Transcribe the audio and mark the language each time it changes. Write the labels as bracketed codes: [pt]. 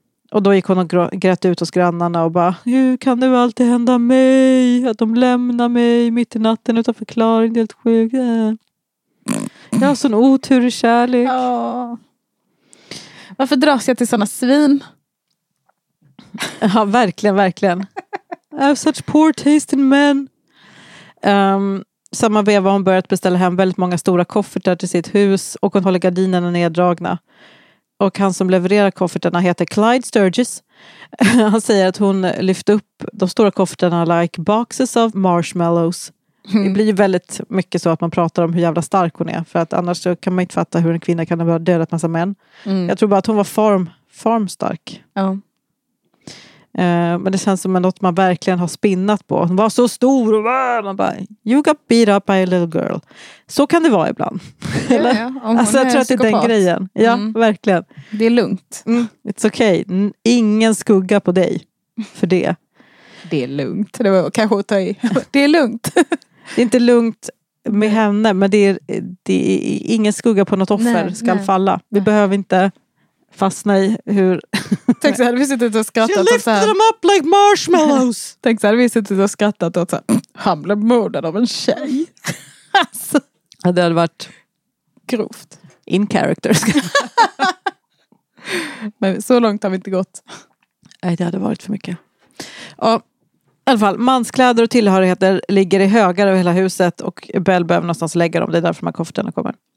[sv] Och då gick hon och grät ut hos grannarna och bara, hur kan det alltid hända mig? Att de lämnar mig mitt i natten utan förklaring, helt sjukt. Jag har sån otur i kärlek. Ja. Varför dras jag till såna svin? Ja, verkligen, verkligen. [en] I have such poor taste in men. [sv] Samma veva har hon börjat beställa hem väldigt många stora koffertar till sitt hus och hon håller gardinerna neddragna. Och han som levererar koffertarna heter Clyde Sturgis. Han säger att hon lyfte upp de stora koffertarna [en] like boxes of marshmallows. [sv] Mm. Det blir ju väldigt mycket så att man pratar om hur jävla stark hon är. För att annars så kan man inte fatta hur en kvinna kan ha dödat massa män. Mm. Jag tror bara att hon var farmstark. Ja. Men det känns som något man verkligen har spinnat på. Hon var så stor och man bara, [en] you got beat up by a little girl. [sv] Så kan det vara ibland. Eller? Ja, alltså, jag tror att det är den grejen. Ja, verkligen. Det är lugnt. [en] Mm. It's okay. [sv] Ingen skugga på dig för det. Det är lugnt. Det var kanske att ta i. Det är lugnt. Det är inte lugnt med henne, men det är ingen skugga på något offer. Nej, ska nej. Falla. Vi nej. Behöver inte fastna i hur... Tänk så här, vi sitter ute och skrattat. [en] She lifted them up like marshmallows. [sv] Tänk så här, vi sitter ute och skrattat och så här, han blev mördad av en tjej. Alltså. Det hade varit grovt. [en] In character. [sv] Men så långt har vi inte gått. Nej, det hade varit för mycket. Och, i alla fall, manskläder och tillhörigheter ligger i högar över hela huset och Bell behöver någonstans lägga dem. Det är därför de här koffertarna kommer.